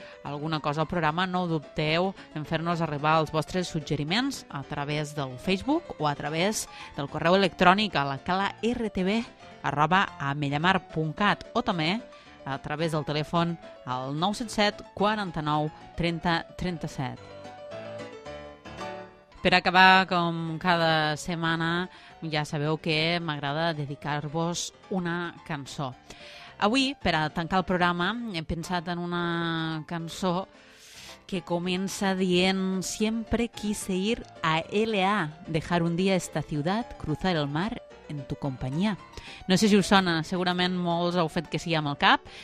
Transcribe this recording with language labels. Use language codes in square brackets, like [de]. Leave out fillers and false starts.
[ca] alguna cosa al programa, no dubteu en fer-nos arribar els vostres suggeriments a través del Facebook o a través del correu electrònic a lacalartv@amellamar.cat o també a través del telèfon al 977 49 30 37. Per acabar, com cada setmana, ja sabeu que m'agrada dedicar-vos una cançó. Avui, per a tancar el programa, he pensat en una cançó que comença dient [es] "Siempre quise ir a L.A., dejar un día esta ciudad, cruzar el mar en tu compañía". [ca] No sé si us sona, segurament molts heu fet que sigui amb el cap.